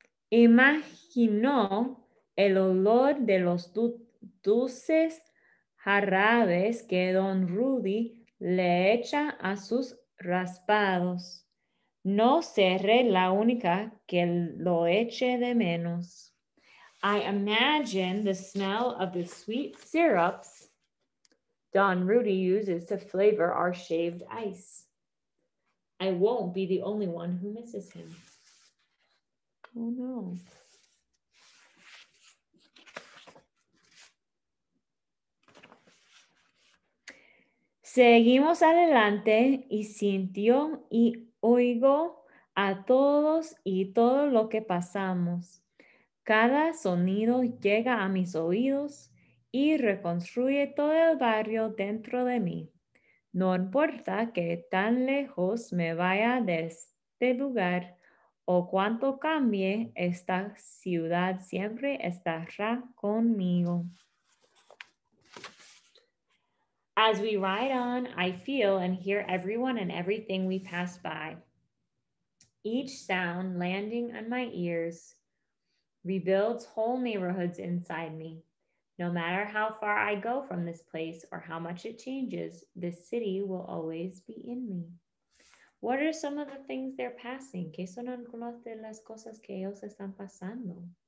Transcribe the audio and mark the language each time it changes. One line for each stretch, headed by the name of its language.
Spanish: Imaginó el olor de los dulces jarabes que Don Rudy le echa a sus raspados. No seré la única que lo eche de menos.
English: I imagine the smell of the sweet syrups Don Rudy uses to flavor our shaved ice. I won't be the only one who misses him. Oh no.
Spanish: Seguimos adelante y sintió y oigo a todos y todo lo que pasamos. Cada sonido llega a mis oídos y reconstruye todo el barrio dentro de mí. No importa que tan lejos me vaya de este lugar, o cuanto cambie, esta ciudad siempre estará conmigo.
English: As we ride on, I feel and hear everyone and everything we pass by. Each sound landing on my ears rebuilds whole neighborhoods inside me. No matter how far I go from this place or how much it changes, this city will always be in me. What are some of the things they're passing?
Spanish: ¿Qué son algunas de las cosas que ellos están pasando?